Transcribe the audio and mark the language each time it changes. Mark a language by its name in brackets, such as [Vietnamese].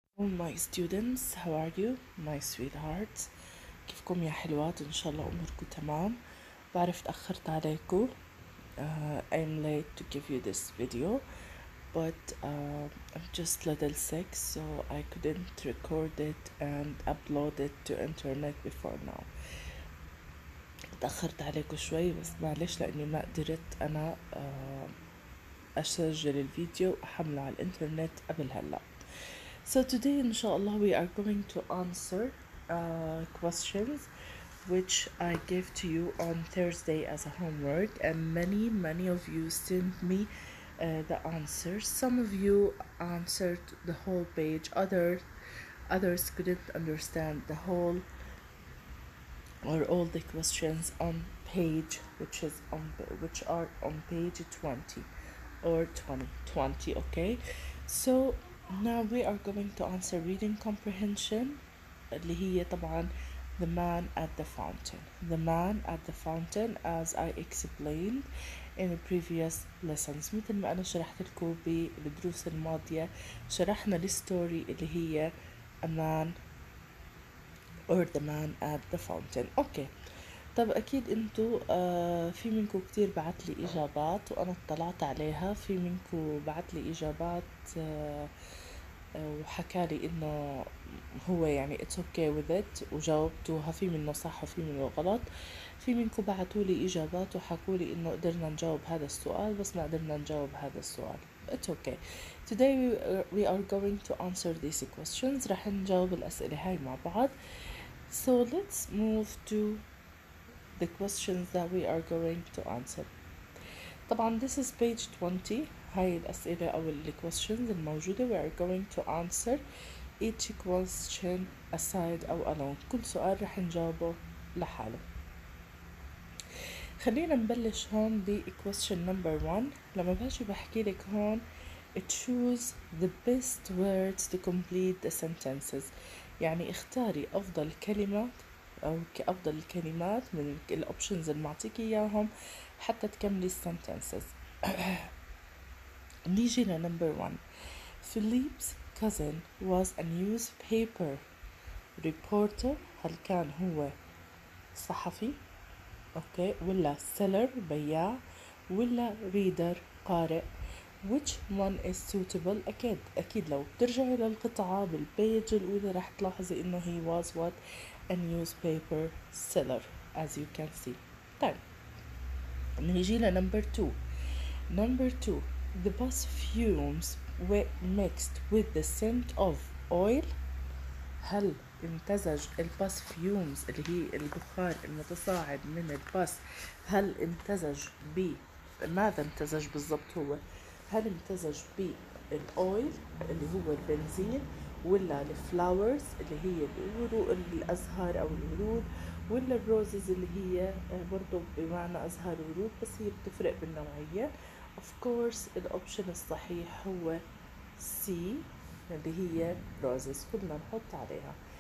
[English] All my students, how are you, my sweetheart? [Arabic] كيفكم يا حلوات؟ إن شاء الله أموركم تمام. بعرف تأخرت عليكم. [English] I'm late to give you this video, but I'm just little sick, so I couldn't record it and upload it to internet before now. [Arabic] تأخرت عليكم شوي بس معلش، لأني ما قدرت أنا أسجل الفيديو وأحمله على الإنترنت قبل هلأ. [English] So today, inshallah, we are going to answer questions which I gave to you on Thursday as a homework, and many of you sent me the answers. Some of you answered the whole page, others couldn't understand the whole or all the questions on page, which are on page 20 or 20, okay? So now we are going to answer reading comprehension, [Arabic] اللي هي طبعا [English] the man at the fountain. The man at the fountain, as I explained in the previous lessons. [Arabic] مثل ما أنا شرحت لكم بالدروس الماضية، شرحنا الستوري اللي هي [English] a man or the man at the fountain. Okay. [Arabic] طب أكيد أنتوا في منكم كتير بعت لي إجابات وأنا اطلعت عليها. في منكم بعت لي إجابات وحكى لي إنه هو يعني [English] it's okay with it [Arabic] وجاوبتوها، في منه صح وفي منه غلط. في منكم بعتوا لي إجابات وحكوا لي إنه قدرنا نجاوب هذا السؤال بس ما قدرنا نجاوب هذا السؤال. [English] It's okay. Today we are going to answer these questions. [Arabic] رح نجاوب الأسئلة هاي مع بعض. [English] So let's move to the questions that we are going to answer. [Arabic] طبعا [English] this is page 20. [Arabic] هاي الأسئلة أو questions الموجودة. [English] We are going to answer each question aside [Arabic] أو [English] alone. [Arabic] كل سؤال رح نجاوبه لحاله. خلينا نبلش هون ب [English] question number one. [Arabic] لما باجي بحكي لك هون [English] choose the best words to complete the sentences، [Arabic] يعني اختاري أفضل كلمة أو كأفضل الكلمات من الـ options اللي معطيك إياهم حتى تكملي الـ sentences. نيجي لـ [English] number one. Philippe's cousin was a newspaper reporter. [Arabic] هل كان هو صحفي أوكي ولا seller بياع ولا reader قارئ؟ [English] Which one is suitable؟ [Arabic] أكيد لو بترجعي للقطعة بالبيج الأولى رح تلاحظي إنه [English] he was what a newspaper seller as you can see. [Arabic] طيب نيجي لنمبر 2. [English] Number 2. The bus fumes mixed with the scent of oil. [Arabic] هل امتزج الباس فيومز اللي هي البخار المتصاعد من الباس، هل امتزج ب ماذا امتزج بالضبط هو؟ هل امتزج بالأويل اللي هو البنزين ولا الفلاورز اللي هي الأزهار أو الورود ولا الروزز اللي هي برضو بمعنى أزهار ورود بس هي بتفرق بالنوعية؟ [English] Of course [Arabic] الأوبشن الصحيح هو C اللي هي روزز، كلنا نحط عليها.